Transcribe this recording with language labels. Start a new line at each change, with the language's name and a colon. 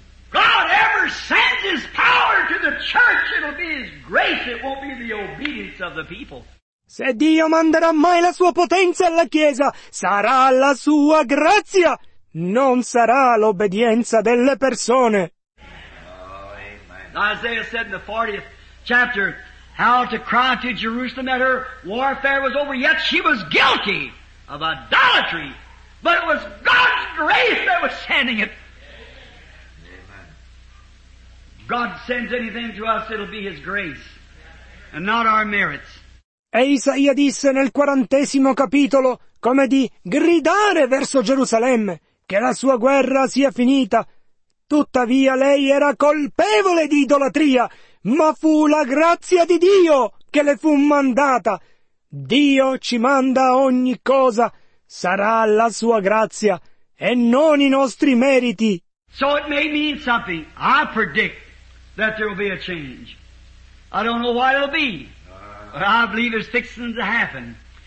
English: God ever sends His power to the church, it'll be His grace, it won't be the obedience of the people.
Italian: Se Dio manderà mai la sua potenza alla Chiesa, sarà la sua grazia, non sarà l'obbedienza delle persone.
English: Oh, amen. Isaiah said in the 40th chapter, how to cry to Jerusalem that her warfare was over, yet she was guilty of idolatry. But it was God's grace that was sending it. Amen. God sends anything to us, it'll be His grace, and not our merits.
Italian: E Isaia disse nel 40° capitolo come di gridare verso Gerusalemme che la sua guerra sia finita. Tuttavia lei era colpevole di idolatria, ma fu la grazia di Dio che le fu mandata. Dio ci manda ogni cosa. Sarà la sua grazia e non i nostri meriti.
English: So it may mean something. I predict that there will be a change. I don't know what it'll be, but I believe it's fixing to happen.